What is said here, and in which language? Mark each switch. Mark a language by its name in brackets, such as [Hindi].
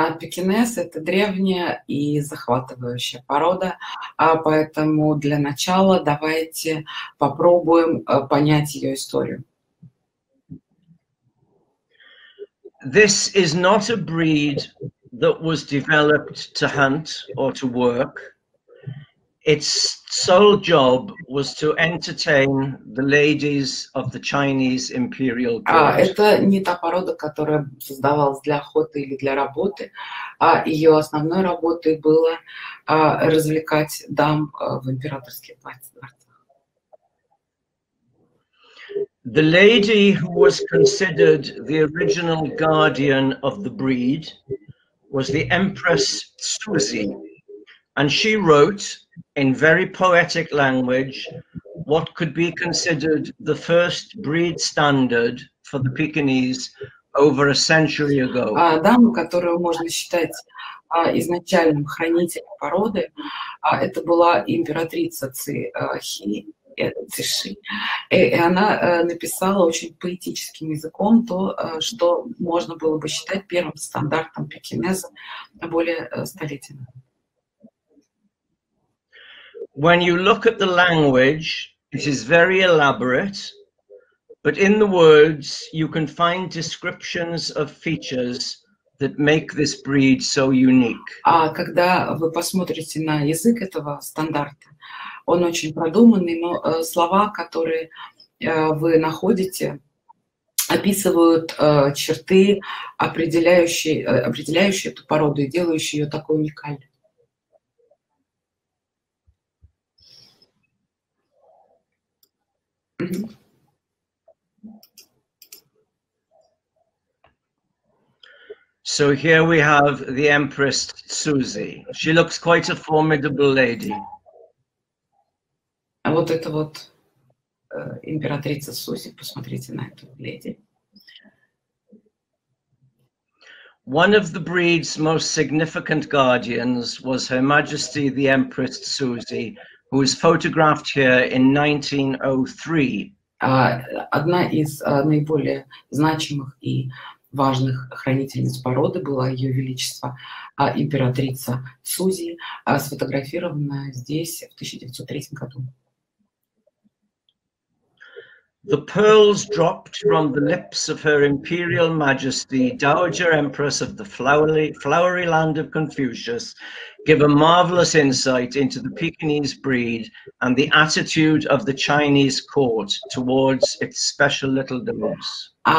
[Russian] Пекинес — это древняя и захватывающая порода, поэтому для начала давайте попробуем понять ее историю. [English] This is not a breed that was developed to hunt or to work. Its sole job was to entertain the ladies of the Chinese imperial court. [Russian] Это не та порода, которая создавалась для охоты или для работы. Ее основной работой было развлекать дам в императорских дворцах. [English] The lady who was considered the original guardian of the breed was the Empress Suzi. And she wrote in very poetic language what could be considered the first breed standard for the Pekinese over a century ago. [Russian] Даму, которую можно считать изначальным хранителем породы, это была императрица Циши. И она написала очень поэтическим языком то, что можно было бы считать первым стандартом пекинеса на более столетия. [English] When you look at the language, it is very elaborate, but in the words you can find descriptions of features that make this breed so unique. [Russian] Когда вы посмотрите на язык этого стандарта, он очень продуманный, но слова, которые вы находите, описывают черты, определяющие эту породу и делающие ее такой уникальной. [English] So here we have the Empress Suzi. She looks quite a formidable lady. [Russian] А вот это вот императрица Сузи, посмотрите на эту леди. [English] One of the breed's most significant guardians was Her Majesty the Empress Suzi, who was photographed here in 1903. [Russian] Одна из наиболее значимых и важных хранительниц породы была Ее Величество императрица Сузи, сфотографированная здесь в 1903 году. [English] The pearls dropped from the lips of Her Imperial Majesty, Dowager Empress of the Flowery Land of Confucius, give a marvelous insight into the Pekinese breed and the attitude of the Chinese court towards its special little dogs.